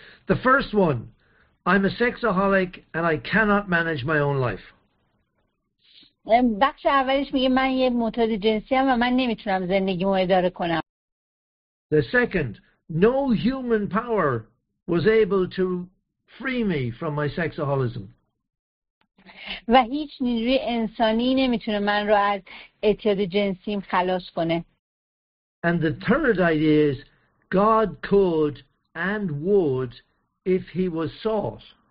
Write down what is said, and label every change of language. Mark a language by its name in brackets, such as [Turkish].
[English] The first one, I'm a sexaholic and I cannot manage my own life. [Persian] بخش اولش میگه من یه معتاد جنسی هم و من نمیتونم زندگیمو اداره کنم. [English] The second, no human power was able to free me from my sexaholism. [Persian] و هیچ نیروی انسانی نمیتونه من رو از اعتیاد جنسیم خلاص کنه. [English] And the third idea is God could and would if he was sought.